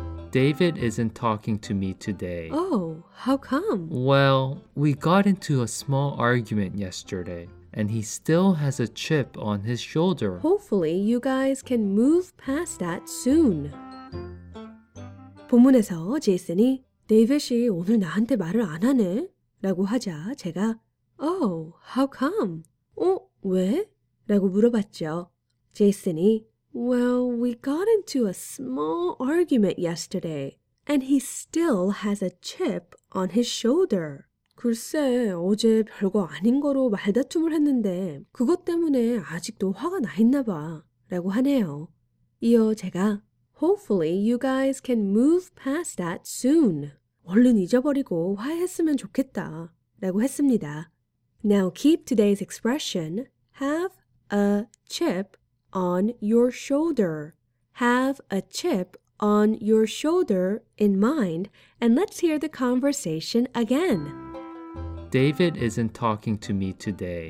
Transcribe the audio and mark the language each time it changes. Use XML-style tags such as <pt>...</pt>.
<en>David isn't talking to me today. Oh, how come? Well, we got into a small argument yesterday, and he still has a chip on his shoulder. Hopefully, you guys can move past that soon.</en> <ko>본문에서 제이슨이 데이빗이 오늘 나한테 말을 안 하네? 라고 하자 제가</ko> <en>Oh, how come?</en> <ko>어, 왜? 라고 물어봤죠. 제이슨이</ko> <en>Well, we got into a small argument yesterday, and he still has a chip on his shoulder.</en> <ko>글쎄, 어제 별거 아닌 거로 말다툼을 했는데 그것 때문에 아직도 화가 나 있나 봐. 라고 하네요. 이어 제가</ko> <en>Hopefully you guys can move past that soon.</en> <ko>얼른 잊어버리고 화해했으면 좋겠다 라고 했습니다.</ko> <en>Now keep today's expression, have a chip on your shoulder. Have a chip on your shoulder in mind, and let's hear the conversation again. David isn't talking to me today.</en>